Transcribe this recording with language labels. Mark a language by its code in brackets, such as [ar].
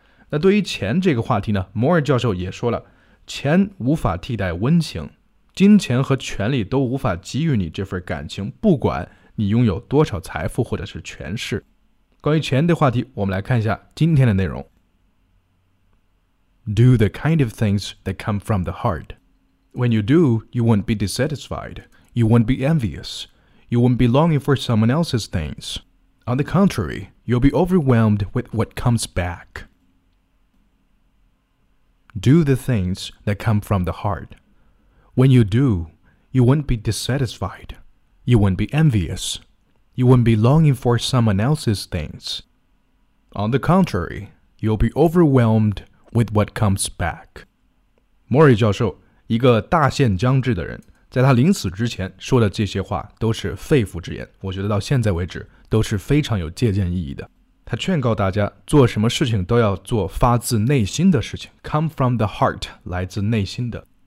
[zh] 那对于钱这个话题呢，摩尔教授也说了。钱无法替代温情，金钱和权力都无法给予你这份感情，不管你拥有多少财富或者是权势。关于钱的话题，我们来看一下今天的内容。 [en] Do the kind of things that come from the heart. When you do, you won't be dissatisfied. You won't be envious. You won't be longing for someone else's things. On the contrary, you'll be overwhelmed with what comes back. Do the things that come from the heart. When you do, you won't be dissatisfied. You won't be envious. You won't be longing for someone else's things. On the contrary, you'll be overwhelmed with what comes back. [zh] 莫瑞教授，一个大限将至的人，在他临死之前说的这些话都是肺腑之言，我觉得到现在为止都是非常有借鉴意义的。他劝告大家，做什么事情都要做发自内心的事情 ， [en] come from the heart， [zh] 来自内心的。